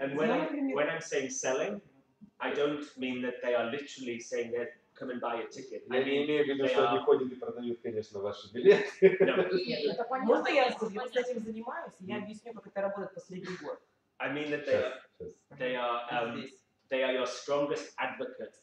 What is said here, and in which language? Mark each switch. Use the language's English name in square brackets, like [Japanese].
[English] And when I'm saying selling, I don't mean that they are literally saying they're come and buy a ticket. I mean, they are... No. [Russian] Можно я, кстати, этим занимаюсь? Я объясню, как это работает последний год. [English] I mean that they are your strongest advocates.